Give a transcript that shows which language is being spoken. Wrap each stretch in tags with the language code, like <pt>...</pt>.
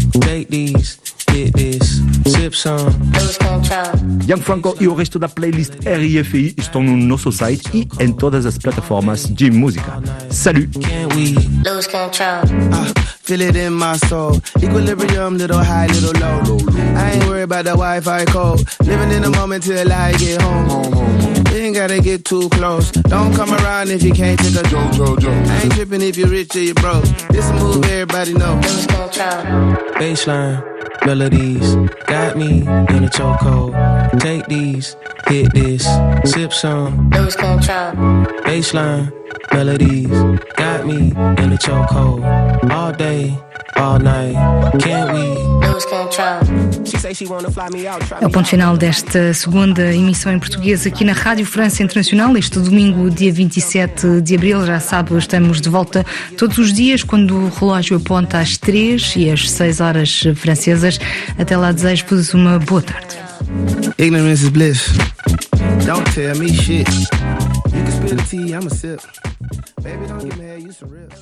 <en>Take these, get this, sip some. Lose Control.</en> <pt>Young Franco e o resto da playlist RFI estão no nosso site e em todas as plataformas de música.</pt> <fr>Salut.</fr> <en>Can't we lose control? Feel it in my soul. Equilibrium, little high, little low. I ain't worried about the Wi-Fi code. Living in the moment till I get home. You ain't gotta get too close. Don't come around if you can't take a joke. I ain't tripping if you're rich or you're broke. This move everybody know. Baseline, melodies, got me in a chokehold. Take these, hit this, sip some. Lose control. Baseline, melodies, got me in a chokehold. All day, all night. Can't we lose control?</en> <pt>É o ponto final desta segunda emissão em português aqui na Rádio França Internacional, este domingo, dia 27 de abril. Já sabe, estamos de volta todos os dias, quando o relógio aponta às 3 e às 6 horas francesas. Até lá, desejo-vos uma boa tarde.</pt> <en>Ignorance is bliss. Don't tell me shit. You can spill the tea, I'm a sip. Baby, don't get mad, you some real.</en>